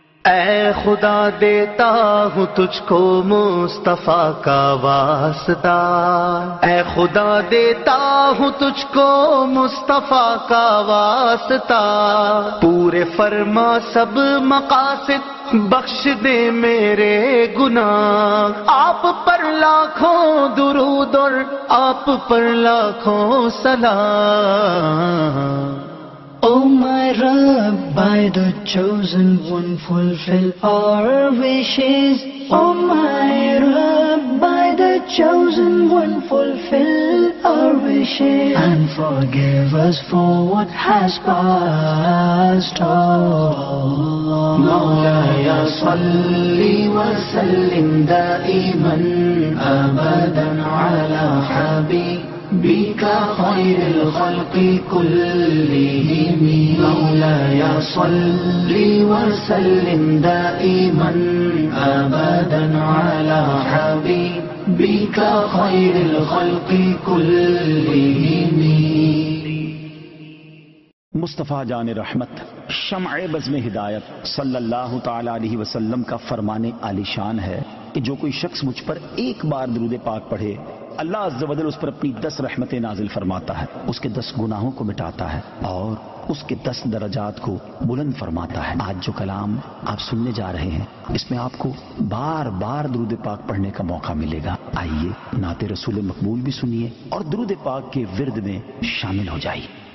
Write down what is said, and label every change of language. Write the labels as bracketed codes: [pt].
[ur] اے خدا دیتا ہوں تجھ کو مصطفیٰ کا واسطہ، اے خدا دیتا ہوں تجھ کو مصطفیٰ کا واسطہ، پورے فرما سب مقاصد بخش دے میرے گناہ، آپ پر لاکھوں درود اور آپ پر لاکھوں سلام۔ [en] O my Rabb, by the chosen one fulfill our wishes, O my Rabb, by the chosen one fulfill our wishes, and forgive us for what has passed. [ar] Mawla ya salli wa sallim da'iman abadan ala habib بك خير الخلق كلهم، مولاي صل وسلم دائما أبدا على حبيبك خير الخلق كلهم۔ [ur] مصطفیٰ جان رحمت شمع بزم ہدایت صلی اللہ تعالیٰ علیہ وسلم کا فرمان عالی شان ہے کہ جو کوئی شخص مجھ پر ایک بار درود پاک پڑھے اللہ عز و جل اس پر اپنی 10 رحمتیں نازل فرماتا ہے، اس کے 10 گناہوں کو مٹاتا ہے اور اس کے 10 درجات کو بلند فرماتا ہے۔ آج جو کلام آپ سننے جا رہے ہیں اس میں آپ کو بار بار درود پاک پڑھنے کا موقع ملے گا، آئیے نعت رسول مقبول بھی سنیے اور درود پاک کے ورد میں شامل ہو جائیے۔